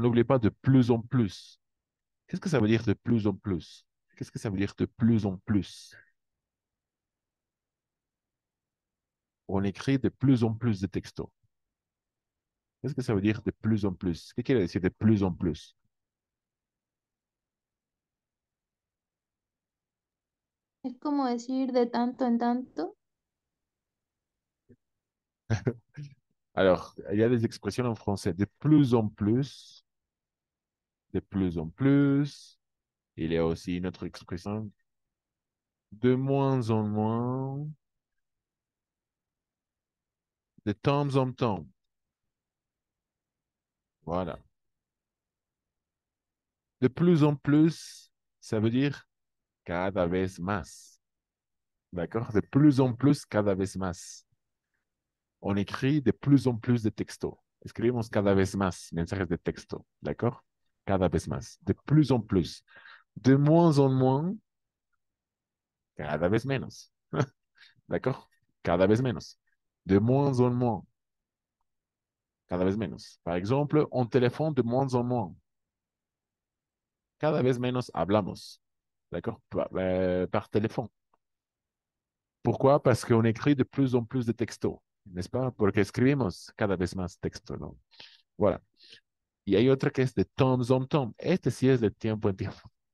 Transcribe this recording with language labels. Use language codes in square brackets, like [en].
[fr] N'oubliez pas de plus en plus. Qu'est-ce que ça veut dire de plus en plus? Qu'est-ce que ça veut dire de plus en plus? On écrit de plus en plus de textos. Qu'est-ce que ça veut dire de plus en plus? Qu'est-ce qu'il a dit de plus en plus? [es] Es como decir de tanto en tanto. [fr] Alors, il y a des expressions en français. De plus en plus. De plus en plus. Il y a aussi une autre expression. De moins en moins. De temps en temps. Voilà. De plus en plus, ça veut dire [es] cada vez más. [fr] D'accord? De plus en plus, [es] cada vez más. [fr] On écrit de plus en plus de textos. [es] Escribimos cada vez más mensajes de texto. [fr] D'accord? [es] Cada vez más. [fr] De plus en plus. De moins en moins, [es] cada vez menos. [fr] D'accord? [es] Cada vez menos. [fr] De moins en moins. [es] Cada vez menos. [fr] Par exemple, on téléphone de moins en moins. [es] Cada vez menos hablamos, [fr] ¿d'accord? [es] Par teléfono. [fr] Pourquoi? Parce qu'on écrit de plus en plus de textos, n'est-ce pas? [es] Porque escribimos cada vez más textos, ¿no? Voilà. Y hay otra que es [fr] de temps en temps. [es] Este sí es de tiempo en tiempo.